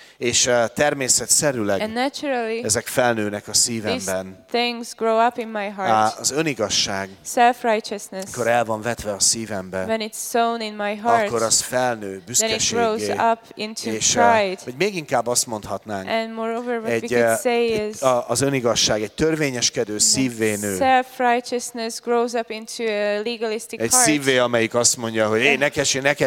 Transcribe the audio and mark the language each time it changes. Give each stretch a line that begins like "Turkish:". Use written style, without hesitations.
Hungarian: És természetszerűleg ezek felnőnek a szívemben.
English: Grow up in my heart.
Hungarian: Az önigazság,
English: self-righteousness,
Hungarian: akkor el van vetve a szívembe,
English: when it's sown in my heart,
Hungarian: akkor az felnő büszkeséggé, és vagy még inkább azt mondhatnánk,
English: and moreover, what egy, we could say is,
Hungarian: az önigazság egy törvényeskedő szívvé nő,
English: self-righteousness grows up into a legalistic
Hungarian: egy
English: heart.
Hungarian: Szívvé, amelyik azt mondja, hogy én nekesi.